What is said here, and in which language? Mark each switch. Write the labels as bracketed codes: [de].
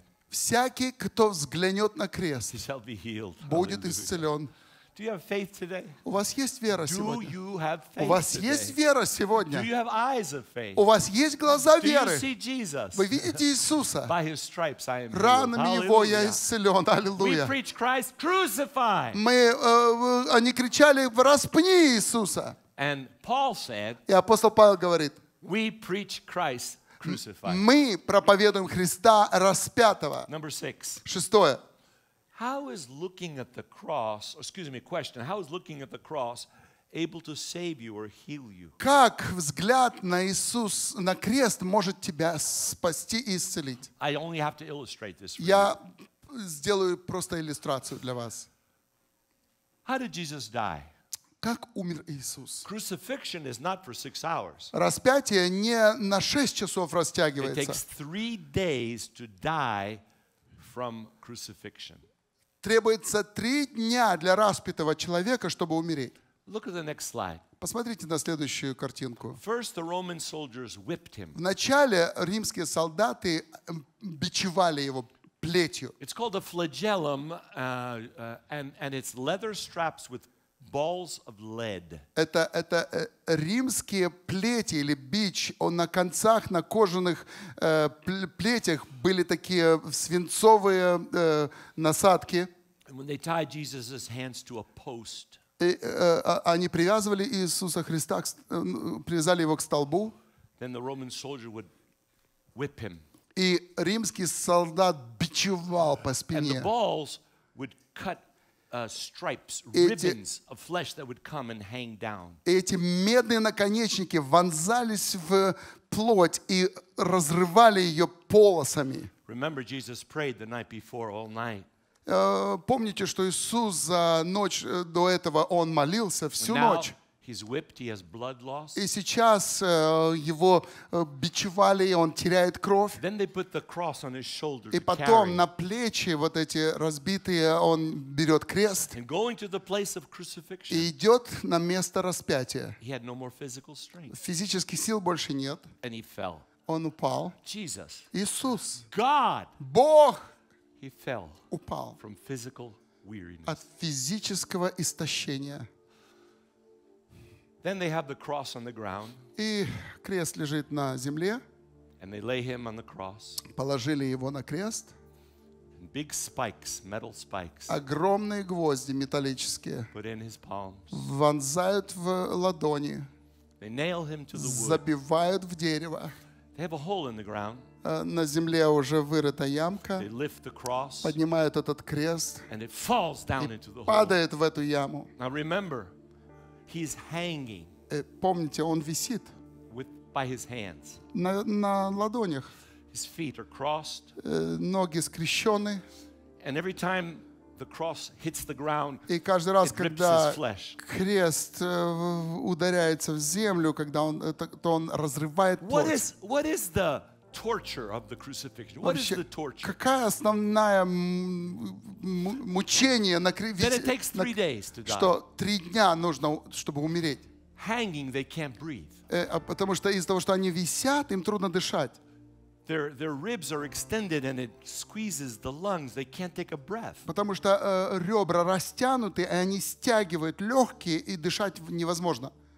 [ru] Всякий, кто взглянет на крест, будет исцелен. [en] Do you have faith today? [ru] У вас есть вера [en] Do [ru] сегодня? [en] You have faith [ru] У вас [en] today? [ru] Есть вера сегодня? [en] Do you have eyes of faith? [ru] У вас есть глаза [en] Do [ru] веры? [en] You see Jesus? [ru] Вы видите Иисуса? [en] By his stripes I am [ru] Ранами Его я исцелен. Аллилуйя. [en] We preach Christ crucified. [ru] Мы, они кричали: «Распни Иисуса!» [en] And Paul said, [ru] И апостол Павел говорит: [en] We preach Christ crucified. [ru] Мы проповедуем Христа распятого. [en] Number six. [ru] Шестое. [en] How is looking at the cross, excuse me, question, how is looking at the cross able to save you or heal you? [ru] Как взгляд на Иисус, на крест, может тебя спасти и исцелить? [en] I only have to illustrate this for you. [ru] Я сделаю просто иллюстрацию для вас. [en] How did Jesus die? [ru] Как умер Иисус? [en] Crucifixion is not for six hours. [ru] Распятие не на 6 часов растягивается. [en] It takes 3 days to die from crucifixion. [ru] Требуется 3 дня для распятого человека, чтобы умереть. [en] Look at the next slide. [ru] Посмотрите на следующую картинку. [en] First, the Roman soldiers whipped him. [ru] Вначале римские солдаты бичевали его плетью. [en] It's called a flagellum, and it's leather straps with balls of lead. [ru] Это римские плети или бич. Он на концах, на кожаных плетях были такие свинцовые насадки. [en] When they tied Jesus' hands to a post, [ru] они привязывали Иисуса Христа, привязали его к столбу. [en] Then the Roman soldier would whip him. [ru] И римский солдат бичевал по спине. [en] And the balls would cut stripes, ribbons of flesh that would come and hang down. [ru] Эти медные наконечники вонзались в плоть и разрывали ее полосами. [en] Remember, Jesus prayed the night before all night. [ru] Помните, что Иисус за ночь до этого он молился всю ночь. И сейчас его бичевали, и он теряет кровь. И потом на плечи вот эти разбитые он берет крест и идет на место распятия. Физических сил больше нет. Он упал. Иисус. [en] God. [ru] Бог. [en] he fell [ru] упал [en] from physical weariness. [ru] От физического истощения. [en] Then they have the cross on the ground. [ru] И крест лежит на земле. [en] And they lay him on the cross. [ru] Положили его на крест. [en] Big spikes, metal spikes. [ru] Огромные гвозди металлические. [en] Put in his palms. [ru] Вонзают в ладони. [en] They nail him to the wood. [ru] Забивают в дерево. [en] They have a hole in the ground. [ru] На земле уже вырыта ямка. [en] They lift the cross. [ru] Поднимают этот крест. [en] And it falls down into the hole. [ru] Падает в эту яму. [en] Now remember, he's hanging. [ru] Помните, он висит. [en] By his hands. [ru] На ладонях. [en] His feet are crossed. [ru] Ноги скрещены. [en] And every time the cross hits the ground, [ru] и каждый раз, [en] it rips his flesh. [ru] Крест ударяется в землю, когда он, то он разрывает плоть. [en] What is the torture of the crucifixion? What [ru] вообще, [en] is the torture? [ru] Какая основная мучение на кресте? [en] That it takes three days to die. [ru] Что три дня нужно, чтобы умереть? [en] Hanging, they can't breathe. [ru] Потому что из-за того, что они висят, им трудно дышать. [en] Their ribs are extended and it squeezes the lungs. They can't take a breath. [ru] Потому что ребра растянуты, и они стягивают легкие, и дышать невозможно.